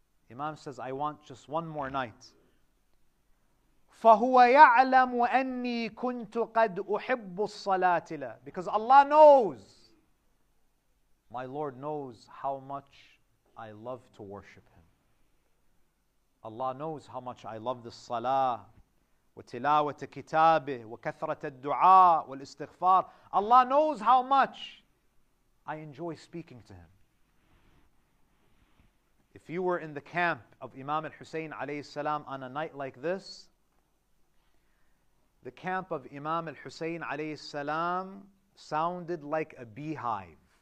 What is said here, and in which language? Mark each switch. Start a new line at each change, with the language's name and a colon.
English: Imam says, I want just one more night.
Arabic: فَهُوَ يَعْلَمُ أَنِّي كُنْتُ قَدْ أُحِبُّ الصَّلَاةِ لَهُ,
English: because Allah knows, my Lord knows how much I love to worship Him. Allah knows how much I love the salah.
Arabic: وتلاوة كتابه وكثرة الدعاء والاستغفار.
English: Allah knows how much I enjoy speaking to Him. If you were in the camp of Imam al-Husayn alayhi salam on a night like this, the camp of Imam al-Husayn alayhi salam sounded like a beehive.